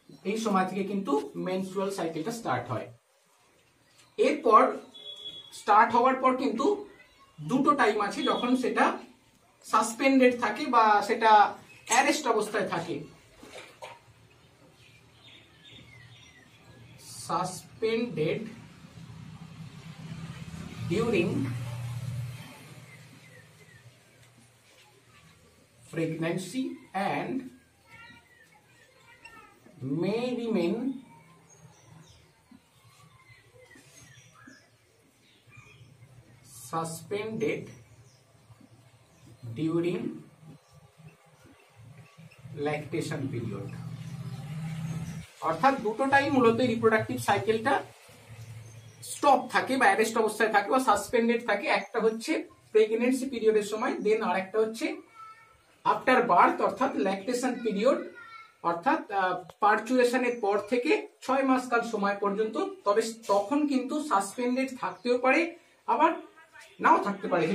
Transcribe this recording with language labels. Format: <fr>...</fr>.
<bn>এই সময় থেকে কিন্তু মেনস্ট্রুয়াল সাইকেলটা স্টার্ট হয়। এরপর স্টার্ট হওয়ার পর কিন্তু দুটো টাইম আছে যখন সেটা সাসপেন্ডেড থাকে বা সেটা অ্যারেস্ট অবস্থায় থাকে,</bn> <en>suspended during pregnancy and may remain suspended during lactation period.</en> <bn>অর্থাৎ দুটো টাইম মূলত রিপ্রোডাক্টিভ সাইকেলটা স্টপ থাকে বা অ্যারেস্ট অবস্থায় থাকে বা সাসপেন্ডেড থাকে, একটা হচ্ছে প্রেগনেন্সি পিরিয়ডের সময়, দেন আর একটা হচ্ছে আফটার বার্থ অর্থাৎ ল্যাকটেশন পিরিয়ড অর্থাৎ পারচুয়েশনের পর থেকে ছয় মাস কাল সময় পর্যন্ত, তবে তখন কিন্তু সাসপেন্ডেড থাকতেও পারে আবার নাও থাকতে পারে।</bn>